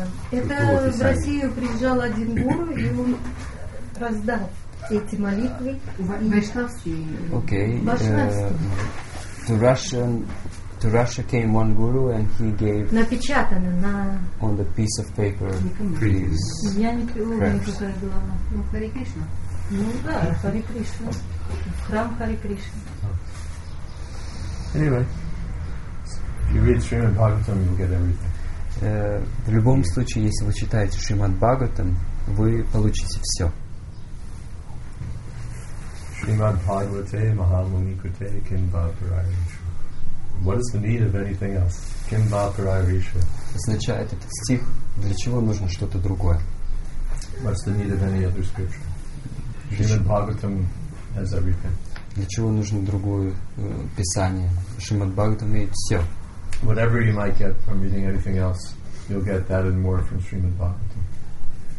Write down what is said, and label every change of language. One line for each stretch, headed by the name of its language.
Russian: Это в Россию приезжал один гуру, и он раздал эти молитвы.
English: Okay.
Russian: Вайшнавские.
English: To Russia came one guru and he gave
Russian: напечатано на
English: on the piece of paper please.
Russian: Я не приводила, но Hare Krishna. Ну да, Hare Krishna. Храм Hare Krishna.
English: Anyway. If you read Srimad Bhagavatam, you'll get everything.
Russian: В любом случае, если вы читаете Srimad Bhagavatam, вы получите все.
Sanskrit: Srimad Bhagavate Mahamuni Krite Kim Bhaparai.
English: What is the need of anything else?
Sanskrit: Kim ba parai risha.
Russian: Означает этот стих, для чего нужно что-то другое?
English: What's the need of any other scripture? Shrimad Bhagavatam has everything.
Russian: Для чего нужно другое писание? Shrimad Bhagavatam имеет все.
English: Whatever you might get from reading anything else, you'll get that and more from Shrimad Bhagavatam.